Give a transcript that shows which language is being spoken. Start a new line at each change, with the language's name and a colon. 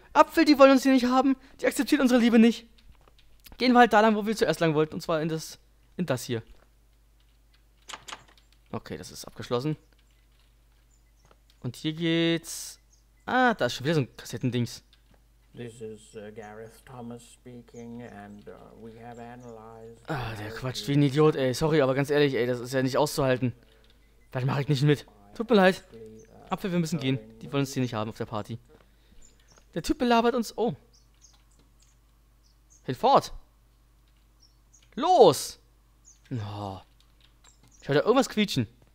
German: Apfel, die wollen uns hier nicht haben. Die akzeptieren unsere Liebe nicht. Gehen wir halt da lang, wo wir zuerst lang wollten. Und zwar in das hier. Okay, das ist abgeschlossen. Und hier geht's... Ah, da ist schon wieder so ein Kassettendings.
English: This is Gareth Thomas speaking and we have analyzed...
German: Ah, der quatscht wie ein Idiot, ey. Sorry, aber ganz ehrlich, ey, das ist ja nicht auszuhalten. Das mache ich nicht mit. Tut mir leid. Apfel, wir müssen gehen. Die wollen uns hier nicht haben auf der Party. Der Typ belabert uns. Oh. Hinfort. Los. Oh. Ich höre da irgendwas quietschen.